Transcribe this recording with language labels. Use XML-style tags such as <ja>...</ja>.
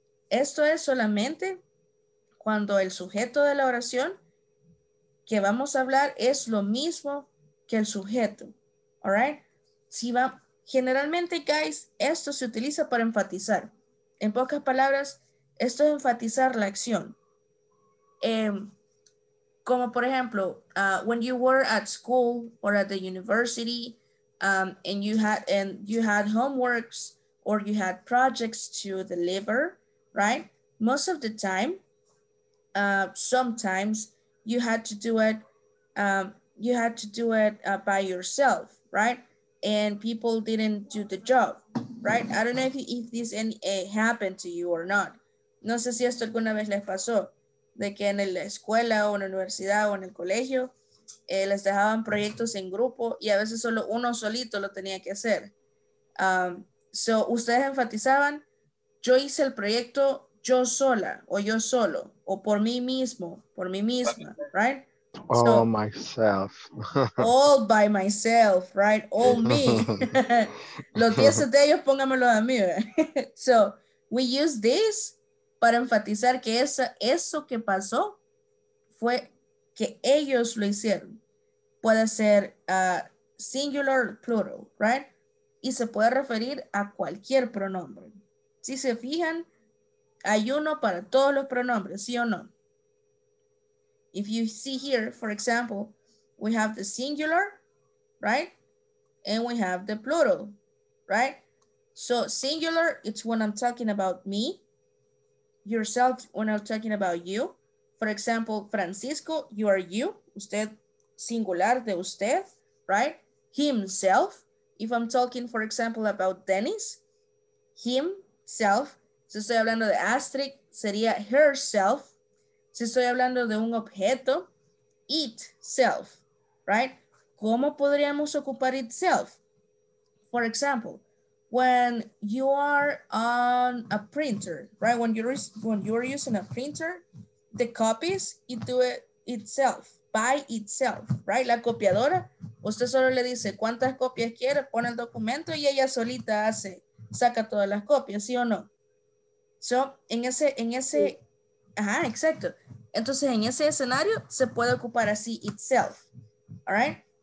<es>Esto es solamente cuando el sujeto de la oración que vamos a hablar es lo mismo que el sujeto.</es> <en>All right?</en> <es>Si va, generalmente, guys, esto se utiliza para enfatizar. En pocas palabras, esto es enfatizar la acción. Como por ejemplo,</es> <en>when you were at school or at the university, and you had homeworks or you had projects to deliver, right? Most of the time, sometimes you had to do it. By yourself, right? And people didn't do the job, right? I don't know if this happened to you or not.</en> <es>No sé si esto alguna vez les pasó. De que en la escuela o en la universidad o en el colegio les dejaban proyectos en grupo y a veces solo uno solito lo tenía que hacer. So, ustedes enfatizaban, yo hice el proyecto yo sola o yo solo o por mí mismo, por mí misma, right?</es> <en>All so, myself. All by myself, right? All me.</en> <es>Los 10 de ellos póngamelo a mí.</es> <en>So, we use this</en> <es>para enfatizar que eso que pasó fue que ellos lo hicieron. Puede ser singular, plural, right? Y se puede referir a cualquier pronombre. Si se fijan, hay uno para todos los pronombres, ¿sí o no?</es> <en>If you see here, for example, we have the singular, right? And we have the plural, right? So singular, it's when I'm talking about me. Yourself, when I'm talking about you. For example, Francisco, you are you.</en> <es>Usted, singular de usted,</es> <en>right? Himself, if I'm talking, for example, about Dennis, himself.</en> <es>Si estoy hablando de Astrid, sería herself. Si estoy hablando de un objeto, itself, right? ¿Cómo podríamos ocupar itself?</es> <en>For example, when you are on a printer, right? When you're using a printer, the copies into it itself, by itself, right?</en> <es>La copiadora, usted solo le dice cuántas copias quiere, pone el documento y ella solita hace, saca todas las copias, ¿sí o no? So, en ese, sí. Ajá, exacto. Entonces, en ese escenario, se puede ocupar así, itself,</es> <en>all right?</en>